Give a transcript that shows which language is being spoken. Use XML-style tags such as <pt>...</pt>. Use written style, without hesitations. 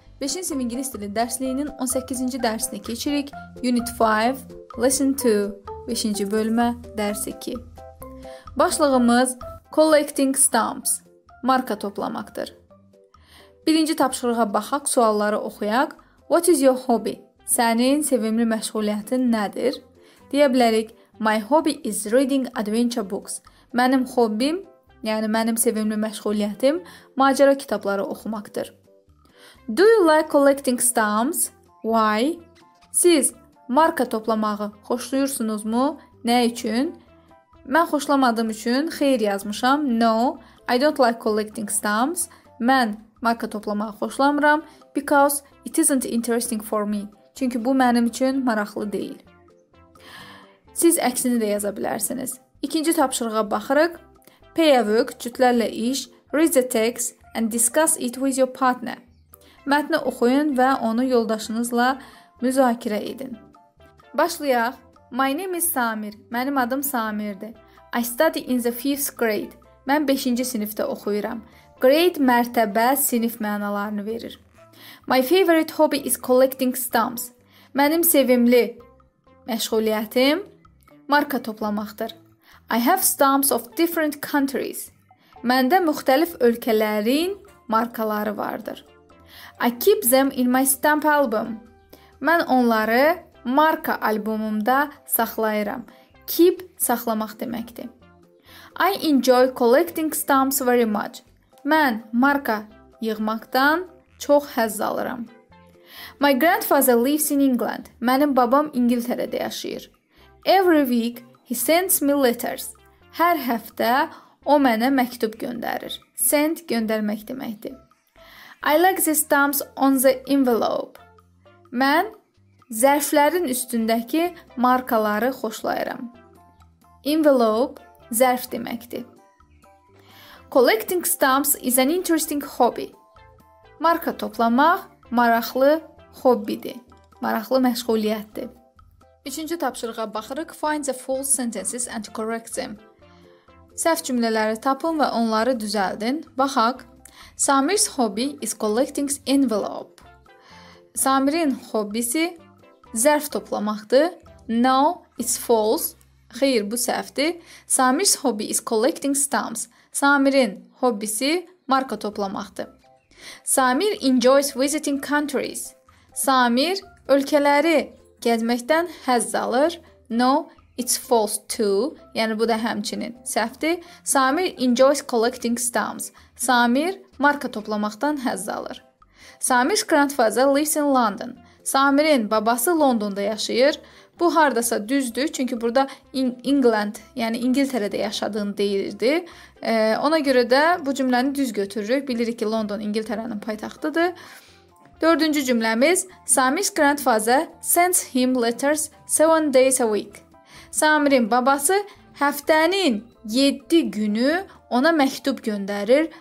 <az>5-ci ingilis dili dərsliyinin 18-ci dərsini keçirik.</az> <en>Unit 5, Lesson 2,</en> <az>5-ci bölmə, dərs 2. Başlığımız Collecting Stamps, marka toplamaqdır. Birinci tapşırığa baxaq, sualları oxuyaq.</az> <en>What is your hobby?</en> <az>Sənin sevimli məşğuliyyətin nədir? Deyə bilərik,</az> <en>My hobby is reading adventure books.</en> <az>Mənim hobim, yəni mənim sevimli məşğuliyyətim, macera kitabları oxumaqdır.</az> <en>Do you like collecting stamps? Why?</en> <az>Siz marka toplamağı xoşluyursunuz mu? Nə üçün? Mən xoşlamadığım üçün xeyir yazmışam.</az> <en>No, I don't like collecting stamps.</en> <az>Mən marka toplamağı xoşlamıram.</az> <en>Because it isn't interesting for me.</en> <az>Çünki bu mənim üçün maraqlı deyil. Siz əksini də yaza bilərsiniz. İkinci tapşırığa baxırıq.</az> <en>Pay a work,</en> <az>cütlərlə iş,</az> <en>read the text and discuss it with your partner.</en> <az>Mətni oxuyun və onu yoldaşınızla müzakirə edin. Başlayaq.</az> <en>My name is Samir.</en> <az>Mənim adım Samirdir.</az> <en>I study in the 5th grade.</en> <az>Mən 5-ci sinifdə oxuyuram. Grade mərtəbə sinif mənalarını verir.</az> <en>My favorite hobby is collecting stamps.</en> <az>Mənim sevimli məşğuliyyətim marka toplamaqdır.</az> <en>I have stamps of different countries.</en> <az>Məndə müxtəlif ölkələrin markaları vardır.</az> <en>I keep them in my stamp album.</en> <az>Mən onları marka albumumda saxlayıram. Keep saxlamaq deməkdir.</az> <en>I enjoy collecting stamps very much.</en> <az>Mən marka yığmaqdan çox həzz alıram.</az> <en>My grandfather lives in England.</en> <az>Mənim babam İngiltərədə yaşayır.</az> <en>Every week he sends me letters.</en> <az>Hər həftə o mənə məktub göndərir. Send göndərmək deməkdir.</az> <en>I like the stamps on the envelope.</en> <az>Mən zərflərin üstündəki markaları xoşlayıram. Envelope zərf deməkdir.</az> <en>Collecting stamps is an interesting hobby.</en> <az>Marka toplamaq maraqlı hobbidir. Maraqlı məşğuliyyətdir. Üçüncü tapşırığa baxırıq.</az> <en>Find the false sentences and correct them.</en> <az>Səhv cümlələri tapın və onları düzəldin. Baxaq.</az> <en>Samir's hobby is collecting envelope.</en> <az>Samir'in hobbisi zərf toplamaqdır.</az> <en>No, it's false.</en> <az>Xeyr, bu səhvdir.</az> <en>Samir's hobby is collecting stamps.</en> <az>Samir'in hobbisi marka toplamaqdır.</az> <en>Samir enjoys visiting countries.</en> <az>Samir ölkələri gəzməkdən həzz alır.</az> <en>No, it's false too.</en> <az>Yəni, bu da həmçinin səhvdir.</az> <en>Samir enjoys collecting stamps.</en> <az>Samir marka toplamaqdan həzz alır.</az> <en>Samir's grandfather lives in London.</en> <az>Samir'in babası Londonda yaşayır. Bu, haradasa düzdür. Çünki burada England, yəni İngiltərədə yaşadığını deyirdi. Ona görə də bu cümləni düz götürürük. Bilirik ki, London İngiltərənin paytaxtıdır. Dördüncü cümləmiz.</az> <en>Samir's grandfather sends him letters 7 days a week.</en> <az>Samir'in babası həftənin 7 günü ona məktub göndərir.</az>